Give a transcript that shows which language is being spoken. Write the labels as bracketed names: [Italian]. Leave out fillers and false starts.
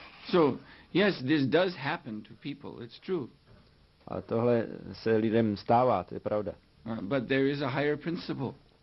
[English] So, yes, this does happen to people, it's true. [Czech] A tohle se lidem stává, to je pravda. [English] But there is a higher principle.